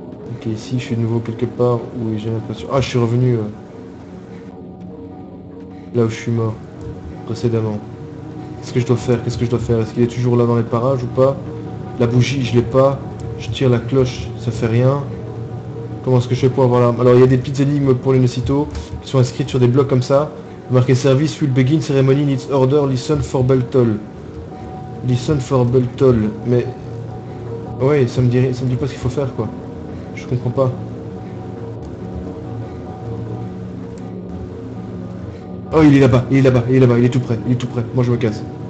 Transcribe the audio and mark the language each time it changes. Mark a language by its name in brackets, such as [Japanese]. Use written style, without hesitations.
[French] Ok, ici je suis de nouveau quelque part où j'ai l'impression. Ah, je suis revenu là où je suis mort précédemment. Qu'est-ce que je dois faire? Qu'est-ce que je dois faire? Est-ce qu'il est toujours là dans les parages ou pas? La bougie, je l'ai pas. Je tire la cloche, ça fait rien. Comment est-ce que je fais pour avoir l'arme? Alors il y a des petites énigmes pour les Nécitos qui sont inscrites sur des blocs comme ça. Marqué [English] service will begin ceremony in its order. Listen for Bell-toll. Listen for Bell-toll. [French] Mais ouais, ça me dit pas ce qu'il faut faire quoi. Je comprends pas. Oh il est là-bas, il est tout près. Moi je me casse.